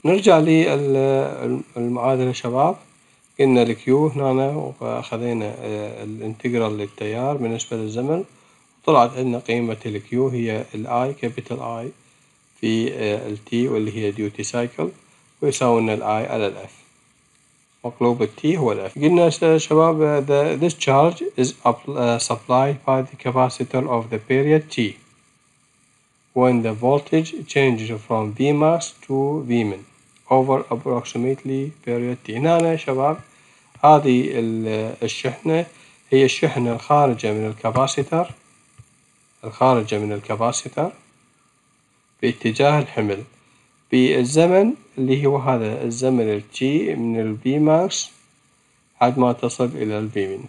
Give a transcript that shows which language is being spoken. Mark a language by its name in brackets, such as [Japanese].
[Arabic] نرجع للمعادله شباب، قلنا الكيو هنا واخذنا الانتجرال للتيار بالنسبه للزمن، طلعت عندنا قيمة الـ Q هي الـ I capital I في الـ T واللي هي duty cycle، ويساوي لنا الـ I على الـ F، مقلوب الـ T هو الـ F. قلنا شباب [English] this charge is supplied by the capacitor of the period T when the voltage changes from Vmax to Vmin over approximately period T. [Arabic] هنا شباب هذه الشحنة هي الشحنة الخارجة من الكاباسيتر، الخارجة من الكاباسيتر باتجاه الحمل بالزمن اللي هو هذا الزمن التي من البي ماكس حد ما تصل إلى البي مين.